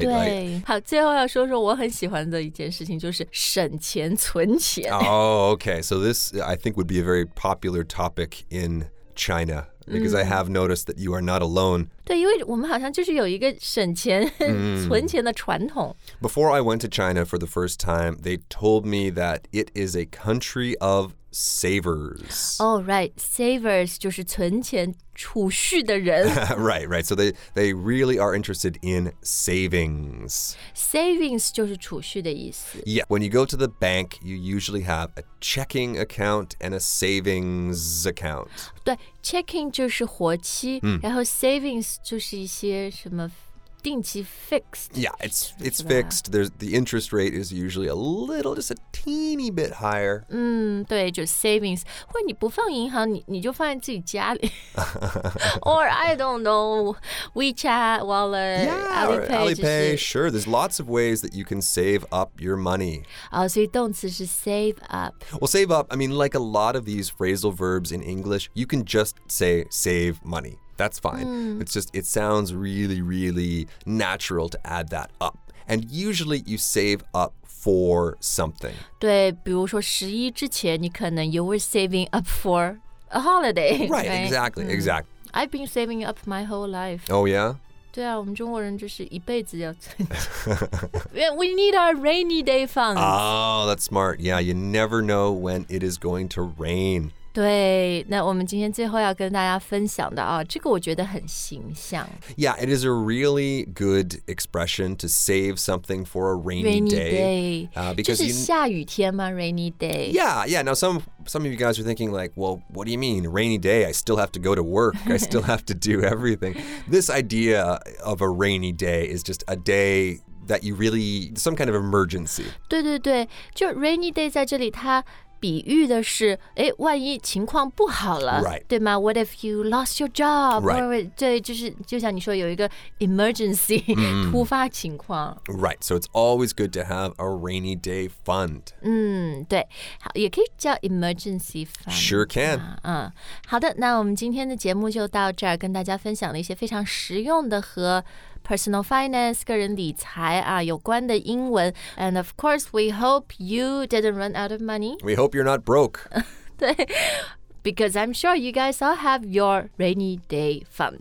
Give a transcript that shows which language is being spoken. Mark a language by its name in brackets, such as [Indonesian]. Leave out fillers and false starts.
[Chinese] 对， [English] like, [Chinese] 好，最后要说说我很喜欢的一件事情，就是省钱存钱。 [English] Oh, okay. So this, I think, would be a very popular topic in China, because、mm. I have noticed that you are not alone. [Chinese] 对，因为我们好像就是有一个省钱、mm. 存钱的传统。 [English] Before I went to China for the first time, they told me that it is a country of savers. Oh, right. [Chinese] Savers 就是存钱储蓄的人。 [English] Right, right. So they really are interested in savings. [Chinese] Savings 就是储蓄的意思。 [English] Yeah. When you go to the bank, you usually have a checking account and a savings account. [Chinese] 对 ,checking 就是活期、 mm. 然后 savings 就是一些什么定期 fixed. [English] Yeah, it's fixed. The interest rate is usually a little, just a teeny bit higher. [Chinese] 嗯，对，就 savings. 或者你不放银行，你就放在自己家里。 [English] Or I don't know, WeChat, Wallet, yeah, Alipay. Alipay,、 [Chinese] 就是、 [English] There's lots of ways that you can save up your money. [Chinese] 哦，所以动词是 save up. [English] Well, save up, I mean, like a lot of these phrasal verbs in English, you can just say save money. That's fine.、 Mm. It's just, it sounds really, really natural to add that up. And usually you save up for something. [Chinese] 对，比如说十一之前你可能 [English] you were saving up for a holiday. Right, right? Exactly,、mm. exactly. I've been saving up my whole life. Oh, yeah? [Chinese] 对啊，我们中国人就是一辈子要存钱。 [English] We need our rainy day funds. Oh, that's smart. Yeah, you never know when it is going to rain. [Chinese] 对，那我们今天最后要跟大家分享的啊，这个我觉得很形象。 [English] Yeah, it is a really good expression to save something for a rainy day. Because [Chinese] 就是下雨天吗 ？Rainy day. [English] Yeah, yeah. Now some of you guys are thinking like, well, what do you mean rainy day? I still have to go to work. I still have to do everything. This idea of a rainy day is just a day that you really, some kind of emergency. [Chinese] 对对对，就 rainy day 在这里它。比喻的是，哎，万一情况不好了， [English] right. [Chinese] 对吗 [English] ？What if you lost your job? Right. [Chinese] 对，就是就像你说有一个 emergency、mm. 突发情况。 [English] Right. So it's always good to have a rainy day fund. [Chinese] 嗯，对，好，也可以叫 emergency fund. [English] Sure can. 嗯， [Chinese] 好的，那我们今天的节目就到这儿，跟大家分享了一些非常实用的和personal finance, 个人理财啊，有关的英文。 [English] And of course, we hope you didn't run out of money. We hope you're not broke. [Chinese] 对, [English] because I'm sure you guys all have your rainy day funds.、